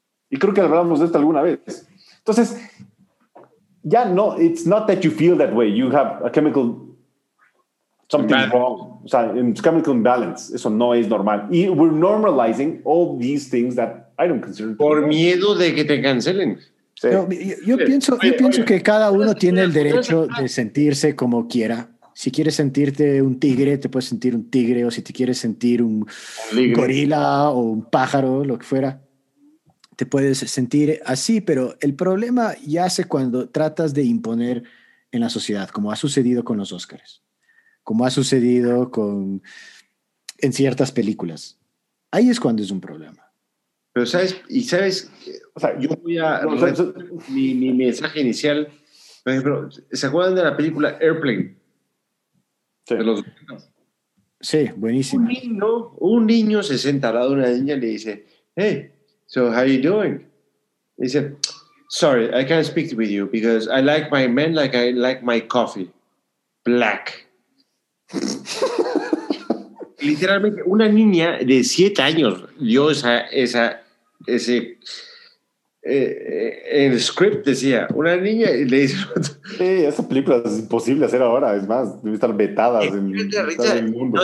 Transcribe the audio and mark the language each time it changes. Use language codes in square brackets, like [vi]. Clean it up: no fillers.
[es] Y creo que hablamos de esto alguna vez. Entonces, ya no, [en] it's not that you feel that way, you have a chemical... Something's wrong. [es] O sea, [en] it's chemical imbalance. [es] Eso no es normal. [en] Y we're normalizing all these things that I don't consider... [es] Por miedo de que te cancelen. Sí. Yo pienso que cada uno tiene el derecho de sentirse como quiera. Si quieres sentirte un tigre, te puedes sentir un tigre. O si te quieres sentir un gorila o un pájaro, lo que fuera, te puedes sentir así. Pero el problema yace cuando tratas de imponer en la sociedad, como ha sucedido con los Oscars. Como ha sucedido en ciertas películas. Ahí es cuando es un problema. Pero sabes, yo voy a... mi mensaje inicial, por ejemplo, ¿se acuerdan de la película Airplane? Sí. Sí, buenísimo. Un niño se senta al lado de una niña y le dice, [en] hey, so how are you doing? [es] Y dice, [en] sorry, I can't speak with you because I like my men like I like my coffee. Black. [es] Literalmente una niña de 7 años dio el script decía una niña y le dice esa película es imposible hacer ahora, es más, debe estar vetada en el mundo.